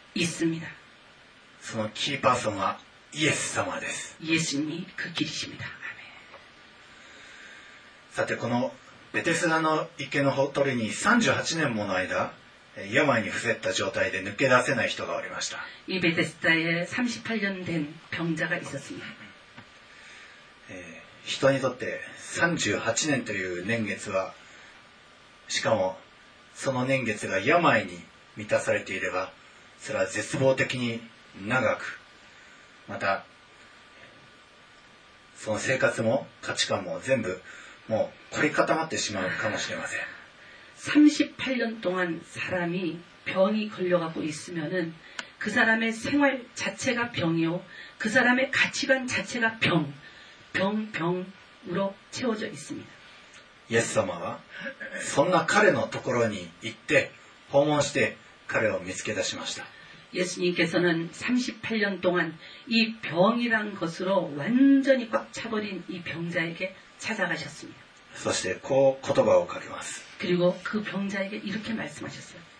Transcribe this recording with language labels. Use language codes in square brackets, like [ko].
[ko] 있습니다 [ja] そのキーパーソンはイエス様です。 [ko] 예수님이그길이십니다아멘 [ja] さてこのベテスダの池のほとりに38年もの間病に伏せた状態で抜け出せない人がおりました。 [ko] 이베데스다에38년된병자가있었습니다。 [ja] 人にとって38年という年月は、しかもその年月が病に満たされていれば、それは絶望的に長く、またその生活も価値観も全部もう凝り固まってしまうかもしれません。 [ko] 38년동안사람이병이걸려가고있으면은그사람의생활자체가병이요그사람의가치관자체가병병병으로채워져있습니다 [ja] 예수様はそんな彼のところに行って訪問して彼を見つけ出しました。 [ko] 예수님께서는38년동안이병이란것으로완전히꽉차버린이병자에게찾아가셨습니다。 [ja] そしてこう言葉をかけます。 [ko] 그리고그병자에게이렇게말씀하셨어요。